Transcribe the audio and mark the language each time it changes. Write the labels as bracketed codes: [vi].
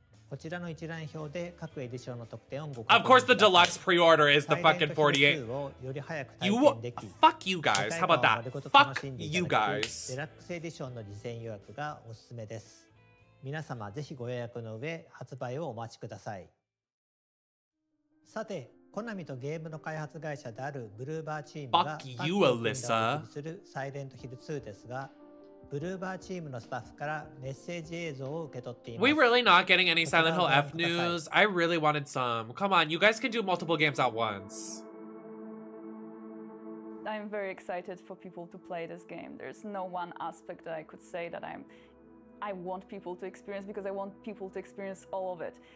[ja] こちらの一覧表で各エディションの特典をご確認。 [en] Of course, the deluxe pre-order is the fucking 48. You fuck you guys. How about that? Fuck you guys. [ja] デラックスエディションの事前予約がおすすめです。皆様ぜひご予約の上発売をお待ちください。さて、コナミとゲームの開発会社であるブルーバーチームが作品を公開するサイレントヒル2ですが。ブルーバーチームのスタッフからメッセージ映像を受け取っています。 [en] We really not getting any Silent Hill F news. I really wanted some. Come on, you guys can do multiple games at once. I'm very excited for people to play this game. There's no one aspect that I could say that I want people to experience, because I want people to experience all of it.